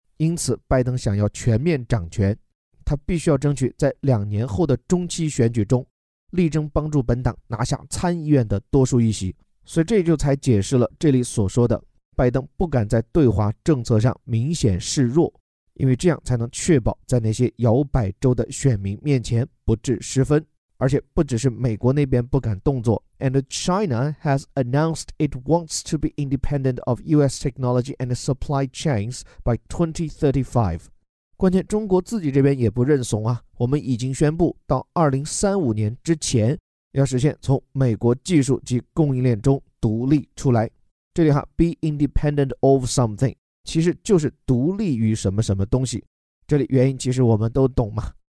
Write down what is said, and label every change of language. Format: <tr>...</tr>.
<zh>因此拜登想要全面掌权，他必须要争取在两年后的中期选举中力争帮助本党拿下参议院的多数议席。所以这就才解释了这里所说的拜登不敢在对华政策上明显示弱，因为这样才能确保在那些摇摆州的选民面前不致失分。而且不只是美国那边不敢动作，</zh> <en>And China has announced it wants to be independent of US technology and supply chains by 2035。</en> <zh>关键中国自己这边也不认怂啊，我们已经宣布到2035年之前要实现从美国技术及供应链中独立出来。这里哈</zh> <en>be independent of something</en> <zh>其实就是独立于什么什么东西，这里原因其实我们都懂嘛。</zh>